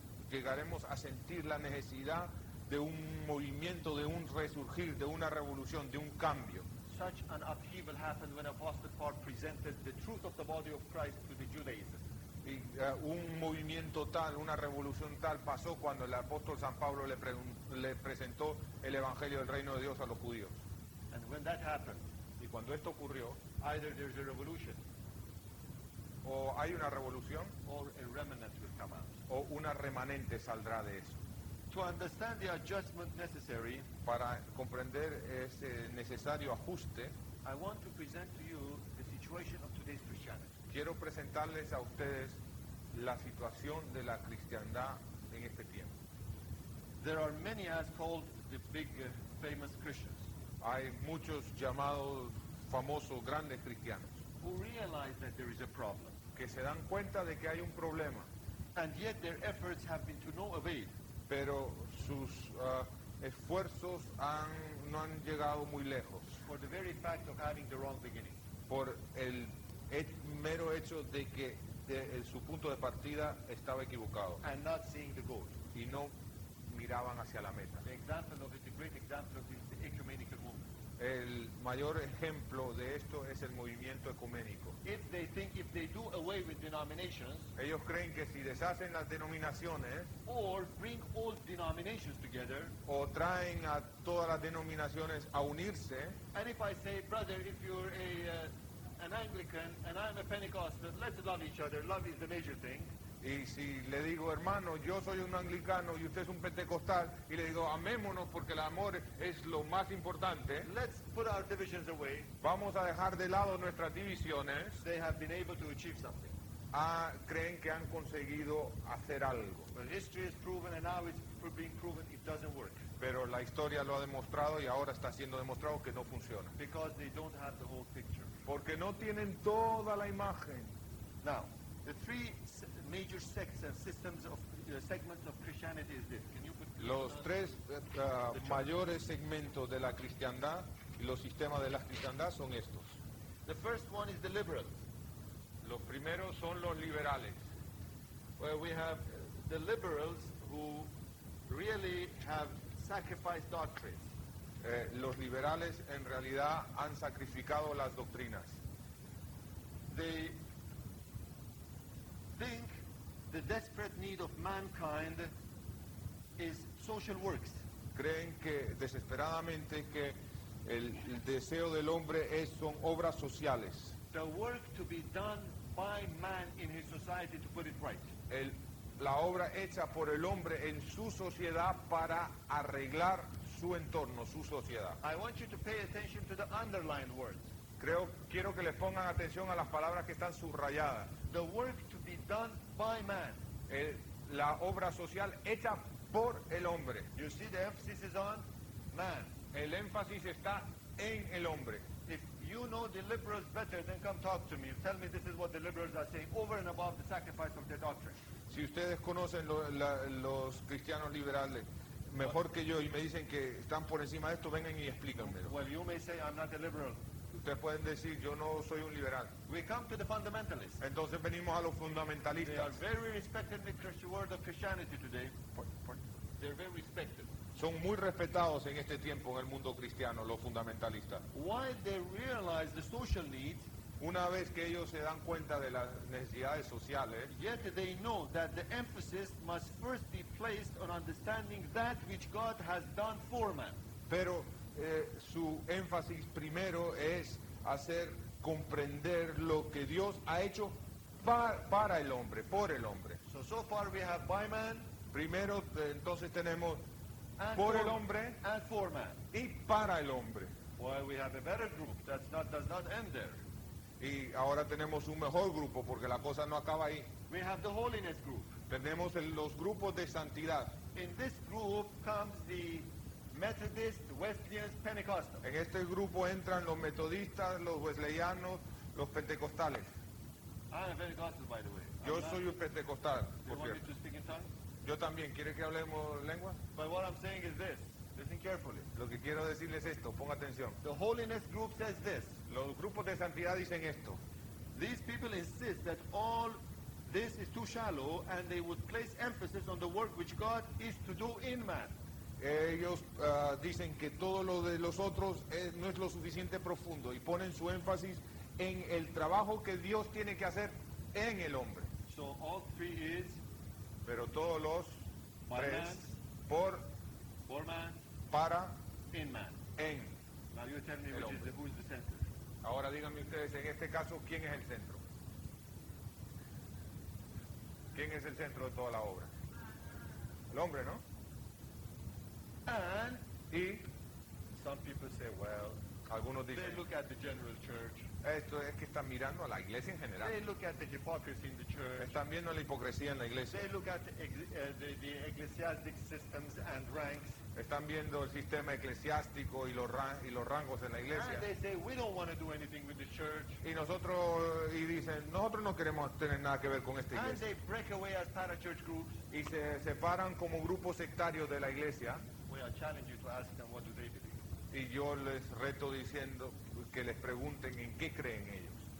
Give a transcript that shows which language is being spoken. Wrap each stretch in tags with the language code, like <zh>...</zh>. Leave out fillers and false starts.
<es>Llegaremos a sentir la necesidad de un movimiento, de un resurgir, de una revolución, de un cambio.</es> <en>Such an upheaval happened when Apostle Paul presented the truth of the body of Christ to the Judaism.</en> <es>Y un movimiento tal, una revolución tal pasó cuando el apóstol San Pablo le presentó el Evangelio del Reino de Dios a los judíos.</es> <en>And when that happened,</en> <es>y cuando esto ocurrió,</es> <en>either there's a revolution,</en> <es>o hay una revolución,</es> <en>or a remnant will come out,</en> <es>o una remanente saldrá de eso.</es> <en>To understand the adjustment necessary,</en> <es>para comprender ese necesario ajuste,</es> <en>I want to present to you the situation of today's Christianity.</en> <es>Quiero presentarles a ustedes la situación de la cristiandad en este tiempo.</es> <en>There are many as called the big, famous Christians.</en> <es>Hay muchos llamados famosos grandes cristianos.</es> <en>Who realize that there is a problem.</en> <es>Que se dan cuenta de que hay un problema.</es> <en>And yet their efforts have been to no avail.</en> <es>Pero sus esfuerzos no han llegado muy lejos.</es> <en>For the very fact of having the wrong beginning.</en> <es>Por el mero hecho de que su punto de partida estaba equivocado.</es> <en>And not seeing the goal.</en> <es>Y no miraban hacia la meta.</es> <en>The example of it, the great example of it, is the ecumenical movement.</en> <es>El mayor ejemplo de esto es el movimiento ecuménico.</es> <en>If they think, if they do away with denominations,</en> <es>ellos creen que si deshacen las denominaciones,</es> <en>or bring all denominations together,</en> <es>o traen a todas las denominaciones a unirse,</es> <en>and if I say, brother, if you're a an Anglican and I'm a Pentecostal, let's love each other. Love is the major thing.</en> <es>Y si le digo, hermano, yo soy un anglicano y usted es un pentecostal, y le digo, amémonos porque el amor es lo más importante.</es> <en>Let's put our divisions away.</en> <es>Vamos a dejar de lado nuestras divisiones.</es> <en>They have been able to achieve something.</en> <es>Creen que han conseguido hacer algo.</es> <en>But history has proven, and now it's being proven, it doesn't work.</en> <es>Pero la historia lo ha demostrado y ahora está siendo demostrado que no funciona.</es> <en>Because they don't have the whole picture.</en> <es>Porque no tienen toda la imagen.</es> <en>Now, the three major sects and systems of segments of Christianity is this. Can you put</en> <es>los tres mayores segmentos de la cristiandad y los sistemas de la cristiandad son estos.</es> <en>The first one is the liberal.</en> <es>Los primeros son los liberales.</es> <en>Well, we have the liberals who really have sacrificed doctrines.</en> <es>Los liberales en realidad han sacrificado las doctrinas.</es> <en>They think the desperate need of mankind is social works.</en> <es>Creen que desesperadamente que el deseo del hombre son obras sociales.</es> <en>The work to be done by man in his society, to put it right.</en> <es>La obra hecha por el hombre en su sociedad para arreglar su entorno, su sociedad.</es> <en>I want you to pay attention to the underlined words.</en> <es>Quiero que les pongan atención a las palabras que están subrayadas.</es> <en>The work to be done by man.</en> <es>La obra social hecha por el hombre.</es> <en>You see, the emphasis is on man.</en> <es>El énfasis está en el hombre.</es> <en>If you know the liberals better, then come talk to me. Tell me this is what the liberals are saying over and above the sacrifice of their doctrine.</en> <es>Si ustedes conocen los cristianos liberales mejor que yo y me dicen que están por encima de esto, vengan y explíquenmelo.</es> <en>Well, you may say I'm not a liberal.</en> <es>Ustedes pueden decir yo no soy un liberal.</es> <en>We come to the fundamentalists.</en> <es>Entonces venimos a los fundamentalistas.</es> <en>They are very respected in the world of Christianity today. They're very respected.</en> <es>Son muy respetados en este tiempo en el mundo cristiano los fundamentalistas.</es> <en>Why they realize the social needs?</en> <es>Una vez que ellos se dan cuenta de las necesidades sociales,</es> <en>yet they know that the emphasis must first be placed on understanding that which God has done for man.</en> <es>Pero su énfasis primero es hacer comprender lo que Dios ha hecho para el hombre, por el hombre.</es> <en>So far we have by man.</en> <es>Primero entonces tenemos por el hombre</es> <en>and for man.</en> <es>Y para el hombre.</es> <en>Well, we have a better group that does not end there.</en> <es>Y ahora tenemos un mejor grupo porque la cosa no acaba ahí.</es> <en>We have the holiness group.</en> <es>Tenemos los grupos de santidad.</es> <en>In this group comes the Methodist, Wesleyans, Pentecostal.</en> <es>En este grupo entran los metodistas, los wesleyanos, los pentecostales.</es> <en>I'm a Pentecostal, by the way.</en> <es>Yo soy un pentecostal.</es> <en>Do you want me to speak in tongues?</en> <es>Yo también. ¿Quiere que hablemos lengua?</es> <en>But what I'm saying is this. Listen carefully.</en> <es>Lo que quiero decirles esto, ponga atención.</es> <en>The holiness group says this.</en> <es>Los grupos de santidad dicen esto.</es> <en>These people insist that all this is too shallow and they would place emphasis on the work which God is to do in man.</en> <es>Ellos dicen que todo lo de los otros no es lo suficiente profundo y ponen su énfasis en el trabajo que Dios tiene que hacer en el hombre.</es> <en>So all three is,</en> <es>pero todos los tres,</es> <en>man,</en> <es>por,</es> <en>for man,</en> <es>para,</es> <en>in man.</en> <es>En</es> <en>now you tell me</en> <es>el hombre.</es> <en>Which is the, who is the center?</en> <es>Ahora díganme ustedes, en este caso, ¿quién es el centro? ¿Quién es el centro de toda la obra? El hombre, ¿no?</es> <en>And</en> <es>y</es> <en>some people say, well,</en> <es>algunos dicen,</es> <en>they look at the general church.</en> <es>Esto es que están mirando a la iglesia en general.</es> <en>They look at the hypocrisy in the church.</en> <es>Están viendo la hipocresía en la iglesia.</es> <en>They look at the ecclesiastic systems and ranks.</en> <es>Están viendo el sistema eclesiástico y los rangos en la iglesia.</es> <en>And they say, we don't want to do anything with the church.</en> <es>Y nosotros, y dicen, nosotros no queremos tener nada que ver con esta iglesia.</es> <en>And they break away as parachurch groups.</en> <es>Y se separan como grupos sectarios de la iglesia.</es> <en>We are challenging you to ask them what do they believe.</en> <es>Y yo les reto diciendo que les pregunten en qué creen ellos.</es>